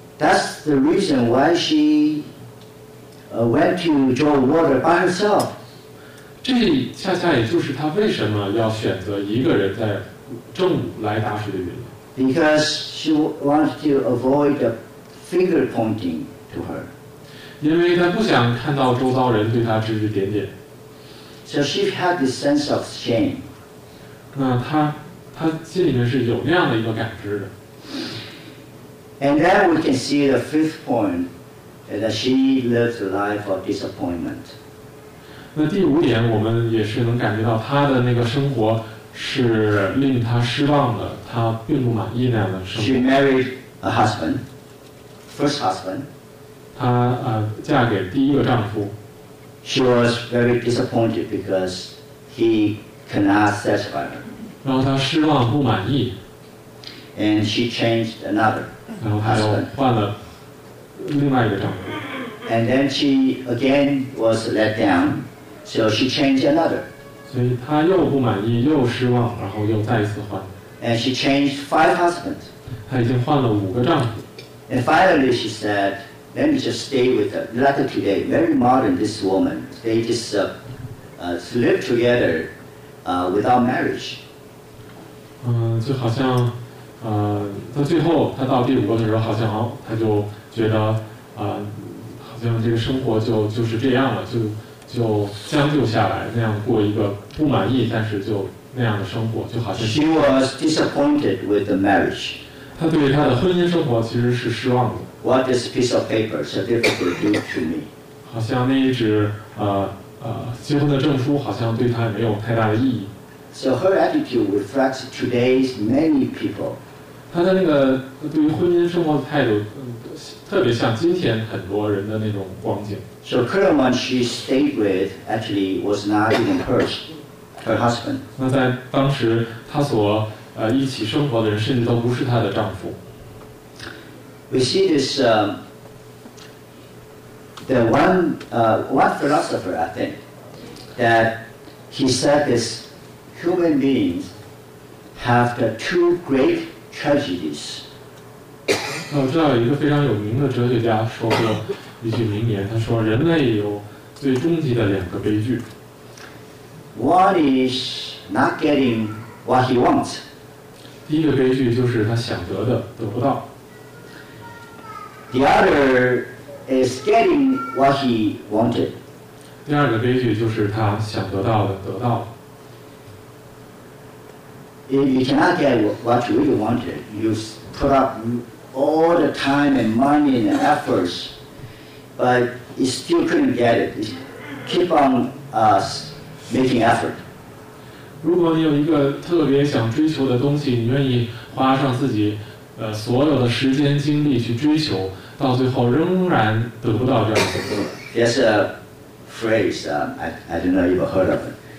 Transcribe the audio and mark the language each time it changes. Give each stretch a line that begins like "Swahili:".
English: That's the reason why she went to draw water by herself.
Chinese: 这恰恰也就是她为什么要选择一个人在正午来打水的原因。
English: Because she wants to avoid the finger pointing.
Chinese: 因为她不想看到周遭人对她指指点点。
English: So she had this sense of shame.
Chinese: 那她心里面是有那样的一个感知的。
English: And then we can see the fifth point, that she lived a life of disappointment.
Chinese: 那第五点我们也是能感觉到她的那个生活是令她失望的，她并不满意那样的生活。
English: She married a husband, first husband.
Chinese: 她嫁给第一个丈夫。
English: She was very disappointed because he cannot satisfy her.
Chinese: 然后她失望不满意。
English: And she changed another.
Chinese: 然后她又换了另外一个丈夫。
English: And then she again was let down, so she changed another.
Chinese: 所以她又不满意，又失望，然后又再次换。
English: And she changed five husbands.
Chinese: 她已经换了五个丈夫。
English: And finally she said,Let me just stay with her. Like today, very modern, this woman. They just live together without marriage.
Chinese: 就好像，到最后，她到第五个的时候，好像她就觉得，好像这个生活就是这样了，就将就下来，那样过一个不满意，但是就那样的生活，就好像。
English: She was disappointed with the marriage.
Chinese: 她对她的婚姻生活其实是失望的。
English: What this piece of paper certificate do to me?
Chinese: 好像那一纸结婚的证书好像对她没有太大的意义。
English: So her attitude reflects today's many people.
Chinese: 她的那个对于婚姻生活的态度，特别像今天很多人的那种光景。
English: So current one she stayed with actually was not even her husband.
Chinese: 那在当时她所一起生活的人，甚至都不是她的丈夫。
English: We see this, the one philosopher, I think, that he said this, human beings have the two great tragedies.
Chinese: 我知道有一个非常有名的哲学家说过一句名言，他说人类有最终极的两个悲剧。
English: One is not getting what he wants.
Chinese: 第一个悲剧就是他想得的得不到。
English: The other is getting what he wanted.
Chinese: 第二个悲剧就是他想得到的得到。
English: If you cannot get what you really wanted, you put up all the time and money and efforts, but you still couldn't get it. You keep on making effort.
Chinese: 如果你有一个特别想追求的东西，你愿意花上自己所有的时间精力去追求，到最后仍然得不到这样的结果。
English: There's a phrase, I don't know if you've heard of it.